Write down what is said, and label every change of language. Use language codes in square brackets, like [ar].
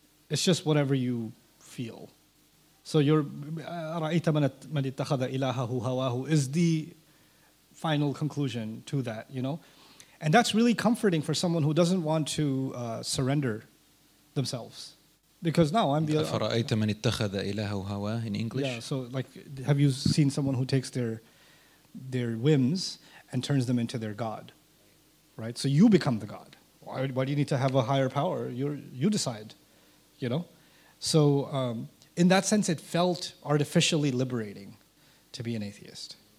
[en] It's just whatever you feel. So your [ar] رَأَيْتَ مَنْ اتَّخَذَ إِلَهَهُ هَوَاهُ [en] is the final conclusion to that, you know? And that's really comforting for someone who doesn't want to surrender themselves. Because now I'm the other... [ar] فَرَأَيْتَ مَنْ اتَّخَذَ إِلَهَهُ هَوَاهُ [en] in English? Yeah, so like, have you seen someone who takes their whims and turns them into their god, right? So you become the god. Why do you need to have a higher power? You decide, you know? So in that sense, it felt artificially liberating to be an atheist.